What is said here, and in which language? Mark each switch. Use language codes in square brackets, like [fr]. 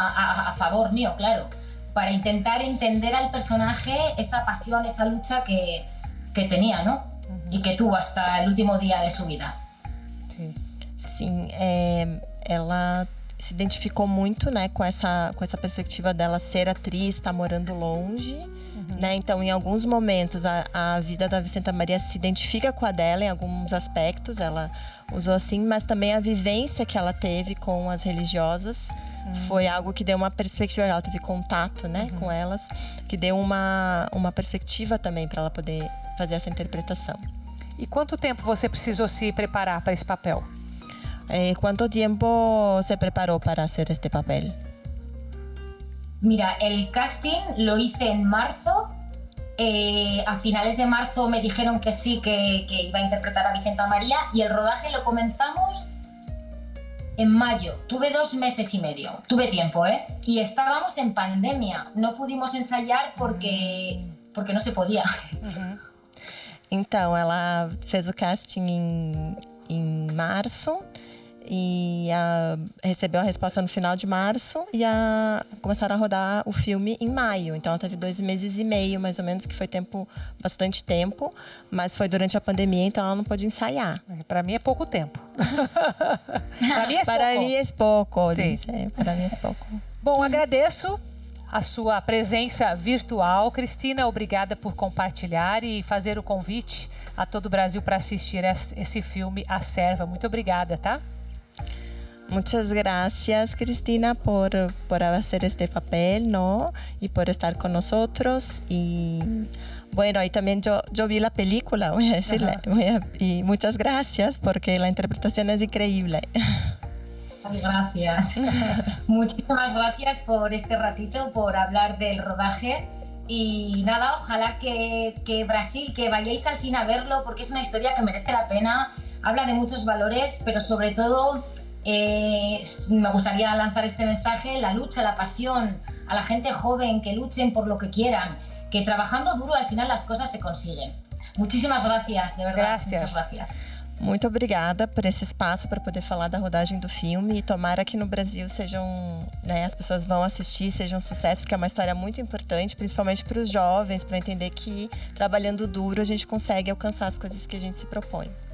[es] A favor mío, claro, para intentar entender al personaje esa pasión, esa lucha que tenía, ¿no? Y que tuvo hasta el último día de su vida. Sí, ella se identificó mucho, ¿no? Con esa perspectiva de ella ser actriz, [pt] estar morando longe. Né? Então, em alguns momentos, a vida da Vicenta María se identifica com a dela em alguns aspectos, ela usou assim, mas também a vivência que ela teve com as religiosas foi algo que deu uma perspectiva, ela teve contato, né, com elas, que deu uma perspectiva também para ela poder fazer essa interpretação. E quanto tempo você precisou se preparar para esse papel? Quanto tempo se preparou para fazer este papel? [es] Mira, el casting lo hice en marzo, a finales de marzo me dijeron que sí, que iba a interpretar a Vicenta María, y el rodaje lo comenzamos en mayo. Tuve 2 meses y medio, tuve tiempo, ¿eh? Y estábamos en pandemia, no pudimos ensayar porque no se podía. Entonces, ella hizo el casting en marzo. [pt] E recebeu a resposta no final de março e começaram a rodar o filme em maio. Então, ela teve 2 meses e meio, mais ou menos, que foi tempo, bastante tempo. Mas foi durante a pandemia, então ela não pôde ensaiar. Para mim é pouco tempo. Para mim é pouco. Para mim é pouco. Bom, agradeço a sua presença virtual. Cristina, obrigada por compartilhar e fazer o convite a todo o Brasil para assistir esse filme, A Serva. Muito obrigada, tá? [es] Muchas gracias, Cristina, por hacer este papel, ¿no? Y por estar con nosotros. Y bueno, y también yo vi la película, voy a decirle. Y muchas gracias, porque la interpretación es increíble. Gracias. Muchísimas gracias por este ratito, por hablar del rodaje. Y nada, ojalá que Brasil, que vayáis al cine a verlo, porque es una historia que merece la pena. Habla de muchos valores, pero sobre todo... me gustaría lanzar este mensaje, la lucha, la pasión, a la gente joven que luchen por lo que quieran, que trabajando duro al final las cosas se consiguen. Muchísimas gracias, de verdad. Gracias. Muchas gracias. [pt] Muito obrigada por esse espaço para poder falar da rodagem do filme, e tomara que no Brasil sejam, né, as pessoas vão assistir, seja um sucesso, porque é uma história muito importante, principalmente para os jovens, para entender que trabalhando duro a gente consegue alcançar as coisas que a gente se propõe.